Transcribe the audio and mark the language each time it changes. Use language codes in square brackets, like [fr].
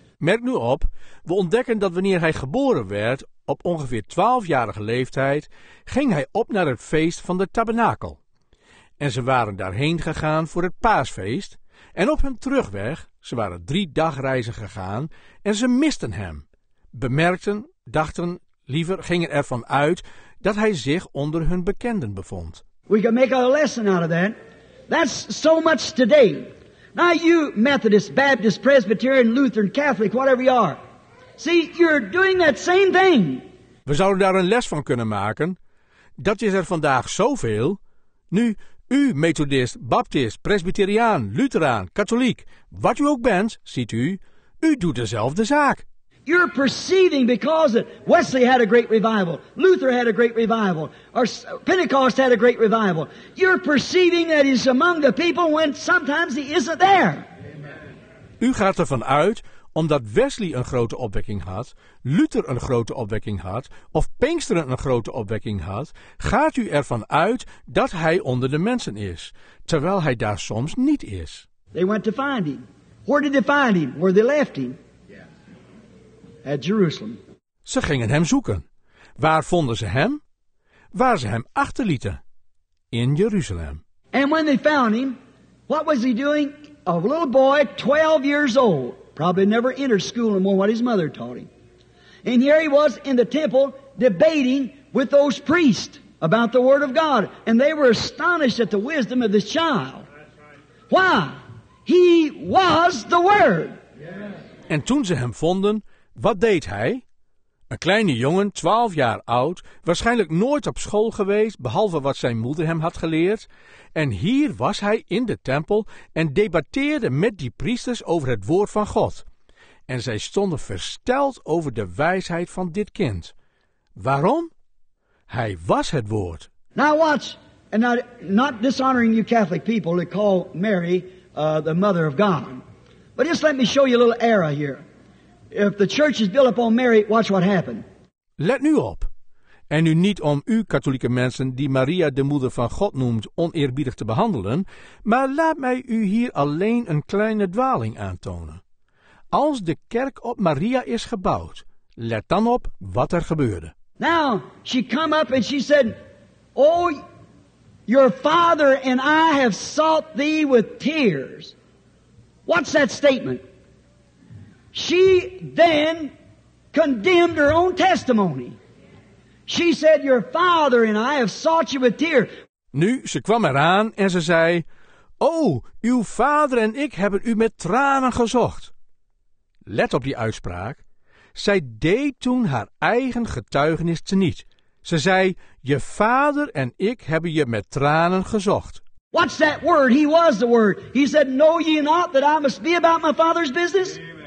[nl] Merk nu op, we ontdekken dat wanneer hij geboren werd, op ongeveer 12-jarige leeftijd, ging hij op naar het feest van de tabernakel. En ze waren daarheen gegaan voor het paasfeest, en op hun terugweg, ze waren 3 dagreizen gegaan, en ze misten hem. Bemerkten, dachten, liever gingen ervan uit dat hij zich onder hun bekenden bevond. [en] We can make a lesson out of that. That's so much today. Now you Methodist, Baptist, Presbyterian, Lutheran, Catholic, whatever you are. See, you're doing that same thing. [nl] We zouden daar een les van kunnen maken. Dat is er vandaag zoveel. Nu, u Methodist, Baptist, Presbyteriaan, Lutheraan, Katholiek, wat u ook bent, ziet u doet dezelfde zaak. [en] You're perceiving because Wesley had a great revival. Luther had a great revival. Or Pentecost had a great revival. You're perceiving that he's among the people when sometimes he isn't there. Amen. [nl] U gaat ervan uit, omdat Wesley een grote opwekking had, Luther een grote opwekking had, of Pinksteren een grote opwekking had, gaat u ervan uit dat hij onder de mensen is, terwijl hij daar soms niet is. [en] They went to find him. Where did they find him? Where they left him? At Jerusalem. [nl] Ze gingen hem zoeken. Waar vonden ze hem? Waar ze hem achterlieten? In Jeruzalem. [en] And when they found him, what was he doing? A little boy, 12 years old, probably never entered school no more what his mother taught him. And here he was in the temple debating with those priests about the word of God. And they were astonished at the wisdom of this child. Why? He was the word. Yes. [nl] En toen ze hem vonden, wat deed hij? Een kleine jongen, 12 jaar oud, waarschijnlijk nooit op school geweest, behalve wat zijn moeder hem had geleerd. En hier was hij in de tempel en debatteerde met die priesters over het woord van God. En zij stonden versteld over de wijsheid van dit kind. Waarom? Hij was het woord. [en] Now watch, and now, not dishonoring you Catholic people to call Mary the mother of God. But just let me show you a little error here. If the church is built upon Mary, watch what happened. [nl] Let nu op. En nu niet om u katholieke mensen die Maria de moeder van God noemt oneerbiedig te behandelen, maar laat mij u hier alleen een kleine dwaling aantonen. Als de kerk op Maria is gebouwd, let dan op wat er gebeurde. [en] Now, she come up and she said, oh, your father and I have sought thee with tears. What's that statement? She then condemned her own testimony. She said, your father and I have sought you with tears. [nl] Nu, ze kwam eraan en ze zei, o, uw vader en ik hebben u met tranen gezocht. Let op die uitspraak. Zij deed toen haar eigen getuigenis teniet. Ze zei, je vader en ik hebben je met tranen gezocht. [en] What's that word? He was the word. He said, know ye not that I must be about my father's business?